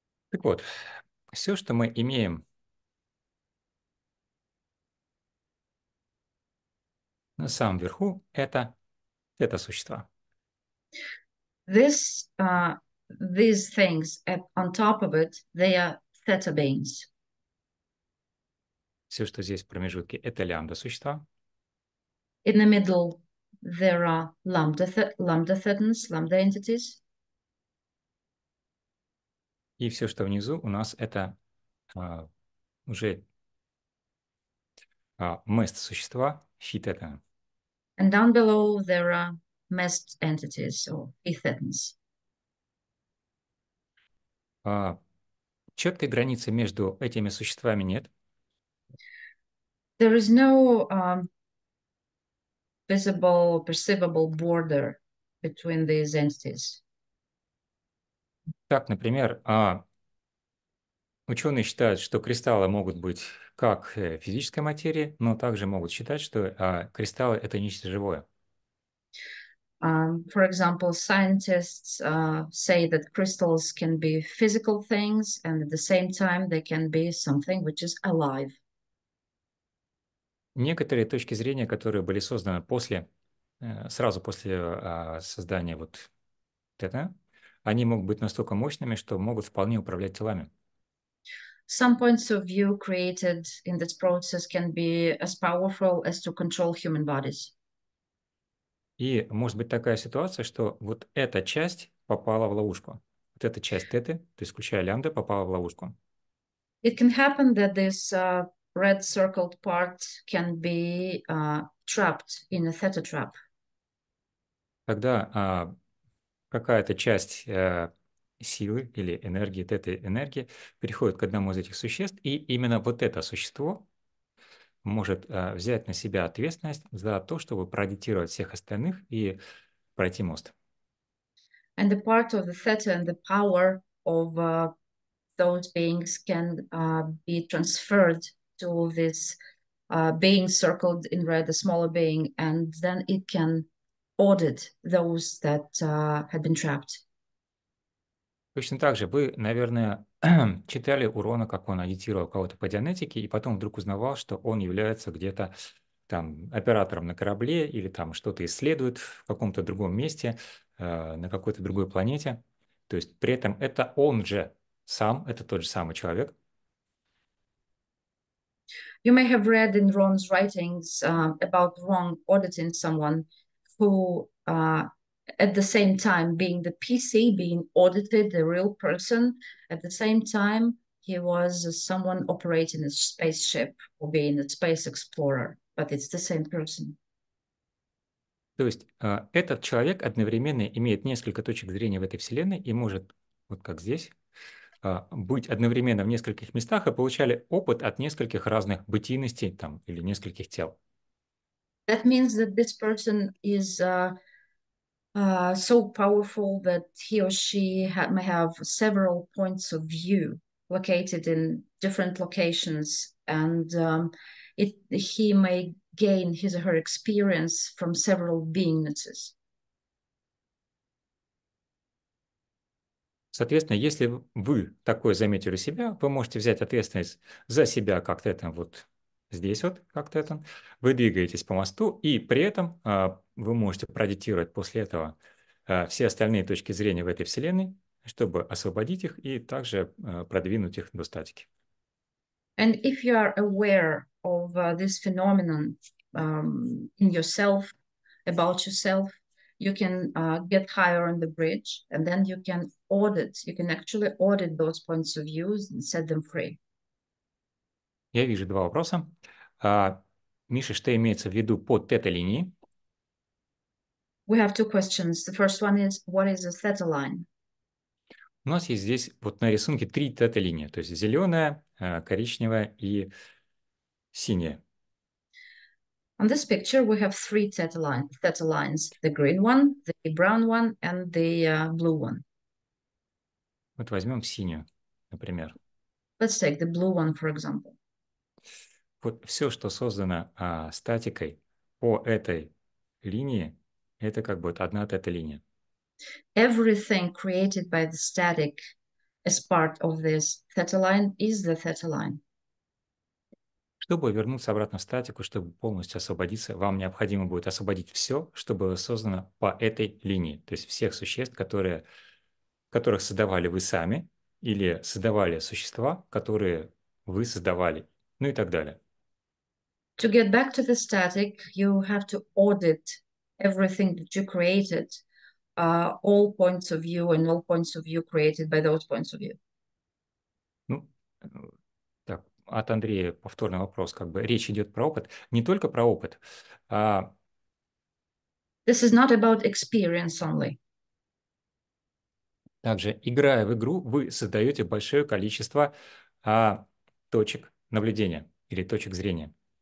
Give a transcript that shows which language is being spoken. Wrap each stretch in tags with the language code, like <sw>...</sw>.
<ru>Так вот, все, что мы имеем на самом верху, это тета существа.</ru> <en>These things on top of it, they are theta beings.</en> <ru>Все, что здесь в промежутке, это лямбда существа.</ru> <en>In the middle, there are lambda thetans, lambda entities.</en> <ru>И все, что внизу, у нас это уже мест существа, фи-тета.</ru> <en>And down below there are mest entities or phi-thetans.</en> <ru>Четкой границы между этими существами нет.</ru> <en>There is no visible or perceivable border between these entities.</en> <ru>Так, например, ученые считают, что кристаллы могут быть как физической материи, но также могут считать, что кристаллы — это нечто живое.</ru> <en>For example, scientists say that crystals can be physical things, and at the same time they can be something which is alive.</en> <ru>Некоторые точки зрения, которые были созданы после, сразу после создания вот тета, они могут быть настолько мощными, что могут вполне управлять телами.</ru> <en>Some points of view created in this process can be as powerful as to control human bodies.</en> <ru>И может быть такая ситуация, что вот эта часть попала в ловушку. Вот эта часть теты, то есть включая лямбда, попала в ловушку.</ru> <en>It can happen that this red circled part can be trapped in a theta trap.</en> <ru>Тогда какая-то часть силы или энергии, тета-энергии, переходит к одному из этих существ, и именно вот это существо может взять на себя ответственность за то, чтобы продитировать всех остальных и пройти мост.</ru> <en>And the part of the theta and the power of those beings can be transferred to this being circled in red, a smaller being, and then it can audit those that had been trapped.</en> <ru>Точно так же вы, наверное, читали у Рона, как он агитировал кого-то по дианетике, и потом вдруг узнавал, что он является где-то там оператором на корабле или там что-то исследует в каком-то другом месте, на какой-то другой планете. То есть при этом это он же сам, это тот же самый человек.</ru> <en>You may have read in Ron's writings about Ron auditing someone who at the same time being the PC, being audited, the real person, at the same time he was someone operating a spaceship or being a space explorer, but it's the same person.</en> <ru>То есть этот человек одновременно имеет несколько точек зрения в этой вселенной и может, вот как здесь, быть одновременно в нескольких местах и получали опыт от нескольких разных бытийностей там или нескольких тел.</ru> <en>That means that this person is so powerful that he or she may have several points of view located in different locations, and he may gain his or her experience from several beingnesses.</en> <ru>Соответственно, если вы такое заметили у себя, вы можете взять ответственность за себя как-то это вот здесь вот, как-то это. Вы двигаетесь по мосту, и при этом вы можете продитировать после этого все остальные точки зрения в этой вселенной, чтобы освободить их и также продвинуть их до статики.</ru> <en>And if you are aware of this phenomenon in yourself, about yourself, you can get higher on the bridge, and then you can audit, you can actually audit those points of views and set them free.</en> <ru>Я вижу два вопроса. Миша, что имеется в виду под тета-линией?</ru> <en>We have two questions. The first one is, what is a theta line?</en> <ru>У нас есть здесь вот на рисунке три тета-линии, то есть зеленая, коричневая и синяя.</ru> <en>On this picture, we have three theta lines, the green one, the brown one, and the blue one.</en> <ru>Вот возьмем синюю, например.</ru> <en>Let's take the blue one, for example.</en> <ru>Вот все, что создано статикой по этой линии, это как бы одна тета-линия.</ru> <en>Everything created by the static as part of this theta line is the theta line.</en> <ru>Чтобы вернуться обратно в статику, чтобы полностью освободиться, вам необходимо будет освободить все, что было создано по этой линии. То есть всех существ, которых создавали вы сами, или создавали существа, которые вы создавали, ну и так далее.</ru> <en>To get back to the static, you have to audit everything that you created, all points of view and all points of view created by those points of view.</en> <ru>От Андрея повторный вопрос, как бы речь идет про опыт, не только про опыт.</ru> <en>This is not about experience only.</en> <ru>Также, играя в игру, вы создаете большое количество точек наблюдения или точек зрения.</ru>